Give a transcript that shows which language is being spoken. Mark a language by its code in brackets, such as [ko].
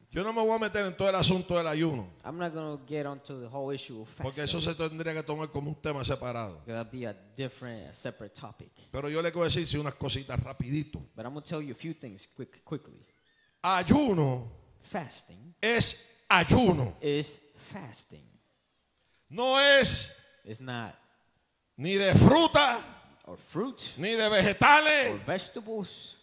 [es] Yo no me voy a meter en todo el asunto del ayuno. [en] I'm not going to get onto the whole issue of fasting. [es] Porque eso se tendría que tomar como un tema separado. [en] That'd be a different, a separate topic. [es] Pero yo le voy a decir unas cositas rapidito. [en] But I'm going to tell you a few things quickly. [es] Ayuno. [en] Fasting. [es] Es ayuno. [en] Is fasting. [es] No es. [en] It's not. [es] Ni de fruta. [en] Or fruit. [es] Ni de vegetales. [en] Or vegetables.